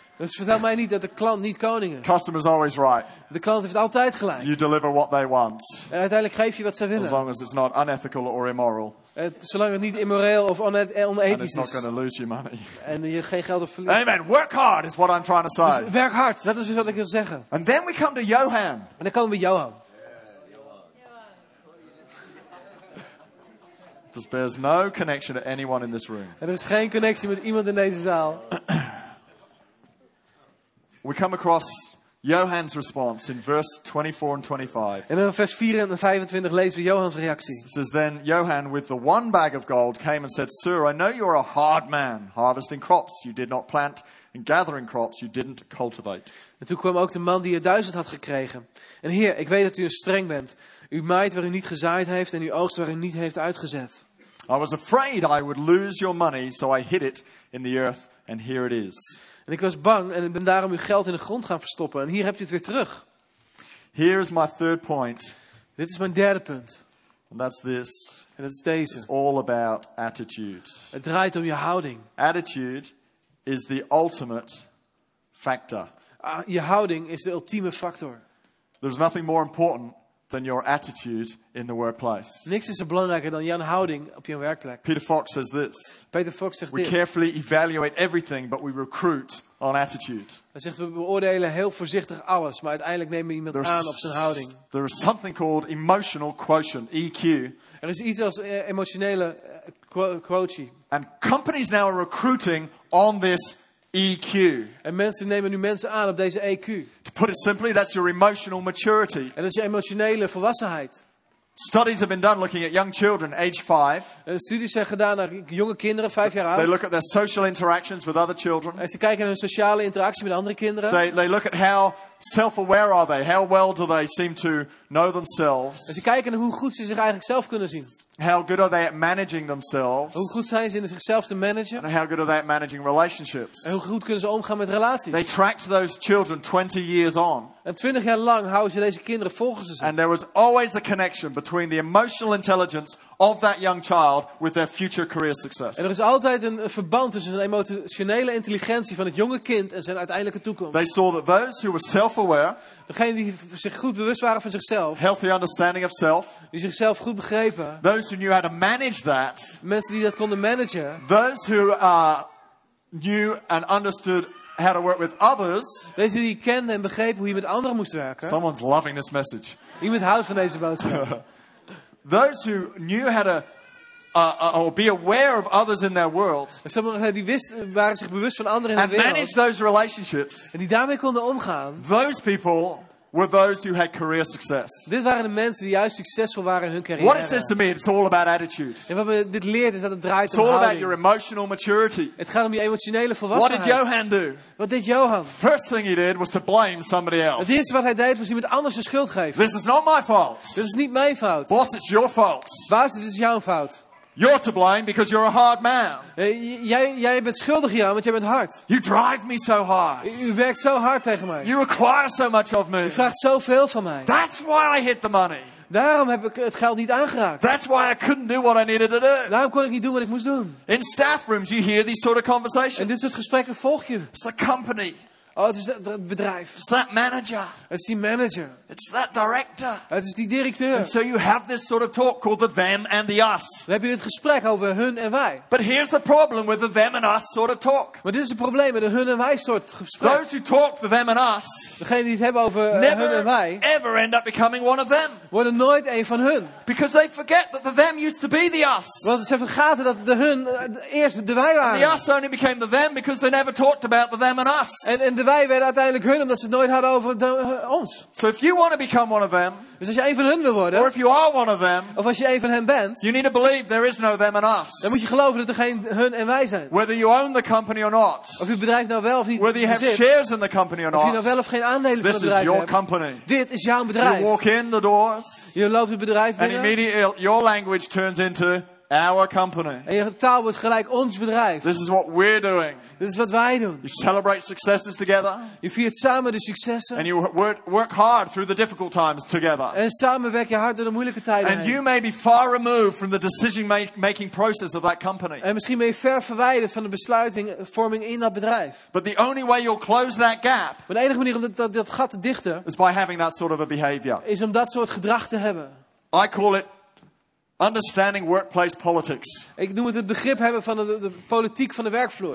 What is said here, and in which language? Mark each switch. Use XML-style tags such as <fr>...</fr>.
<nl>Dus vertel mij niet dat de klant niet koning is.</nl> <en>Customer is always right.</en> <nl>De klant heeft altijd gelijk.</nl> <en>You deliver what they want.</en> <nl>En uiteindelijk geef je wat ze willen.</nl> <en>As long as it's not unethical or immoral.</en> <nl>Zolang het niet immoreel of onethisch is.</nl> <en>And it's not going to lose you money.</en> <nl>En je geen geld verliest.</nl> <en>Amen. Work hard is what I'm trying to say.</en> <nl>Dus werk hard. Dat is wat ik wil zeggen.</nl> <en>And then we come to Johan.</en> <nl>En dan komen we bij Johan.</nl> <en>There bears no connection to anyone in this room.</en> <nl>En er is geen connectie met iemand in deze zaal.</nl> <en>We come across Johan's response in verse 24 and 25.</en> <nl>En in vers 4 en 25 lezen we Johan's reactie.</nl> <en>It says, then Johan with the one bag of gold came and said, Sir, I know you are a hard man, harvesting crops you did not plant and gathering crops you didn't cultivate.</en> <nl>En toen kwam ook de man die 1000 had gekregen. En Heer, ik weet dat u een streng bent. U maait waar u niet gezaaid heeft en u oogst waar u niet heeft uitgezet.</nl> <en>I was afraid I would lose your money, so I hid it in the earth and here it is.</en> <nl>En ik was bang en ik ben daarom uw geld in de grond gaan verstoppen. En hier heb je het weer terug.</nl> <en>Here is my third point.</en> <nl>Dit is mijn derde punt.</nl> <en>And that's this.</en> <nl>En dat is deze.</nl> <en>It's all about attitude.</en> <nl>Het draait om je houding.</nl> <en>Attitude is the ultimate factor.</en> <nl>Je houding is de ultieme factor.</nl> <en>There's nothing more important than your attitude in the workplace.</en> <nl>Niks is zo belangrijker dan jouw houding op je werkplek.</nl> <en>Peter Fox says this.</en> <nl>Peter Fox zegt</nl> <en>we</en> <nl>dit.</nl> <en>We carefully evaluate everything, but we recruit on attitude.</en> <nl>Hij zegt we beoordelen heel voorzichtig alles, maar uiteindelijk nemen we iemand aan op zijn houding.</nl> <en>There is something called emotional quotient, EQ.</en> <nl>Er is iets als emotionele quotient.</nl> <en>And companies now are recruiting on this EQ.</en> <nl>En mensen nemen nu mensen aan op deze EQ.</nl> <en>To put it simply, that's your emotional maturity.</en> <nl>En dat is je emotionele volwassenheid.</nl> <en>Studies have been done looking at young children, age 5.</en> <nl>En studies zijn gedaan naar jonge kinderen, 5 jaar oud.</nl> <en>They look at their social interactions with other children.</en> <nl>En ze kijken naar hun sociale interactie met andere kinderen.</nl> <en>They look at how self-aware are they? How well do they seem to know themselves?</en> <nl>En ze kijken naar hoe goed ze zich eigenlijk zelf kunnen zien.</nl> <en>How good are they at managing themselves?</en> <nl>Hoe goed zijn ze in zichzelf te managen?</nl> <en>And how good are they at managing relationships?</en> <nl>En hoe goed kunnen ze omgaan met relaties?</nl> <en>They tracked those children 20 years on.</en> <nl>En 20 jaar lang houden ze deze kinderen volgens ze.</nl> <en>And there was always a connection between the emotional intelligence of that young child with their future career success.</en> <nl>En er is altijd een verband tussen de emotionele intelligentie van het jonge kind en zijn uiteindelijke toekomst.</nl> <en>They saw that those who were self-aware,</en> <nl>degenen die zich goed bewust waren van zichzelf,</nl> <en>healthy understanding of self,</en> <nl>die zichzelf goed begrepen,</nl> <en>those who knew how to manage that,</en> <nl>mensen die dat konden managen,</nl> <en>those who knew and understood how to work with others,</en> <nl>deze die kenden en begrepen hoe je met anderen moest werken.</nl> <en>Someone's loving this message.</en> <nl>Iemand houdt van deze boodschap.</nl> <en>Those who knew how to or be aware of others in their world.</en> <nl>Sommigen die wisten waren zich bewust van anderen in</nl> <en>and</en> <nl>de wereld.</nl> <en>And managed those relationships.</en> <nl>En die daarmee konden omgaan.</nl> <en>Those people were those who had career success.</en> <nl>Dit waren de mensen die juist succesvol waren in hun carrière.</nl> <en>What it says to me, it's all about attitude.</en> <nl>En wat me dit leert is dat het draait</nl> <en>it's</en> <nl>om houding.</nl> <en>It's all about your emotional maturity.</en> <nl>Het gaat om je emotionele volwassenheid.</nl> <en>What did Johan do?</en> <nl>Wat deed Johan?</nl> <en>First thing he did was to blame somebody else.</en> <nl>Het eerste wat hij deed was iemand anders de schuld geven.</nl> <en>This is not my fault.</en> <nl>Dit is niet mijn fout.</nl> <en>Boss, it's your fault.</en> <nl>Baas, dit is jouw fout.</nl> <en>You're to blame because you're a hard man.</en> <nl>Jij bent schuldig hier aan, want jij bent hard.</nl> <en>You drive me so hard.</en> <nl>U werkt zo hard tegen mij.</nl> <en>You require so much of me.</en> <nl>U vraagt zoveel van mij.</nl> <en>That's why I hit the money.</en> <nl>Daarom heb ik het geld niet aangeraakt.</nl> <en>That's why I couldn't do what I needed to do.</en> <nl>Daarom kon ik niet doen wat ik moest doen.</nl> <en>In staff rooms you hear these sort of conversations.</en> <nl>En dit soort gesprekken volg je.</nl> <en>It's the company.</en> <nl>Oh, het is dat bedrijf.</nl> <en>It's that manager.</en> <nl>Het is die manager.</nl> <en>It's that director.</en> <nl>Het is die directeur.</nl> <en>And so you have this sort of talk called the them and the us.</en> <nl>Dan heb je dit gesprek over hun en wij.</nl> <en>But here's the problem with the them and us sort of talk.</en> <nl>Maar dit is het probleem met de hun en wij soort gesprek.</nl> <en>Those who talk the them and us.</en> <nl>Degenen die het hebben over</nl> <en>never,</en> <nl>hun en wij.</nl> <en>Ever end up becoming one of them.</en> <nl>Worden nooit een van hun.</nl> <en>Because they forget that the them used to be the us.</en> <nl>Want ze vergaten dat de hun eerst de wij waren.</nl> <en>And the us only became the them because they never talked about the them and us.</en> <nl>En de werden wij werden uiteindelijk hun omdat ze het nooit hadden over ons.</nl> <en>So if you want to become one of them,</en> <nl>dus als je een van hun wil worden,</nl> <en>or if you are one of them,</en> <nl>of als je een van hen bent,</nl> <en>you need to believe there is no them and us.</en> <nl>Dan moet je geloven dat er geen hun en wij zijn.</nl> <en>Whether you own the company or not,</en> <nl>of je bedrijf nou wel of niet,</nl> <en>whether you have shares in the company or not,</en> <nl>of je nou wel of geen aandelen van het bedrijf</nl> <en>hebt, this is your company.</en> <nl>Dit is jouw bedrijf.</nl> <en>You walk in the doors,</en> <nl>je loopt het bedrijf binnen,</nl> <en>and immediately your language turns into our company.</en> <nl>En je taal wordt gelijk ons bedrijf.</nl> <en>This is what we're doing.</en> <nl>Dit is wat wij doen.</nl> <en>You celebrate successes together.</en> <nl>Je viert samen de successen.</nl> <en>And you work hard through the difficult times together.</en> <nl>En samen werk je hard door de moeilijke tijden</nl> <en>and</en> <nl>heen.</nl> <en>You may be far removed from the decision making process of that company.</en> <nl>En misschien ben je ver verwijderd van de besluitvorming in dat bedrijf.</nl> <en>But the only way you'll close that gap,</en> <nl>maar de enige manier om dat gat te dichten,</nl> <en>is by having that sort of a behavior.</en> <nl>Is om dat soort gedrag te hebben.</nl> <en>I call it understanding workplace politics.</en> <nl>Ik noem het begrip hebben van de politiek van de werkvloer.</nl>